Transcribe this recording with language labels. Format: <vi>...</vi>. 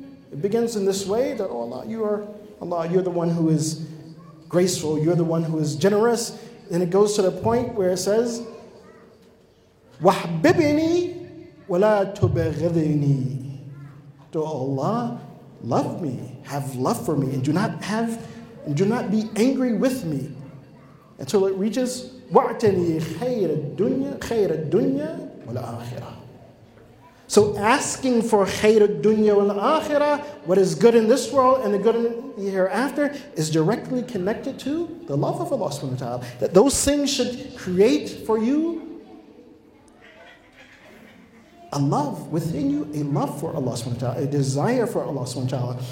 <en>It begins in this way, that, oh Allah, you are Allah, you're the one who is graceful, you're the one who is generous. Then it goes to the point where it says, wahbibni wa la tubghidni. To Allah, love me, have love for me, and do not be angry with me. Until it reaches,</en> <ar>وَعْتَنِي خَيْرَ الدُّنْيَا وَالْآخِرَةِ.</ar> <en>So asking for</en> <ar>خَيْرَ الدُّنْيَا وَالْآخِرَةِ,</ar> <en>what is good in this world and the good in the hereafter, is directly connected to the love of Allah subhanahu wa ta'ala. That those things should create for you a love within you, a love for Allah subhanahu wa ta'ala, a desire for Allah subhanahu wa ta'ala.</en>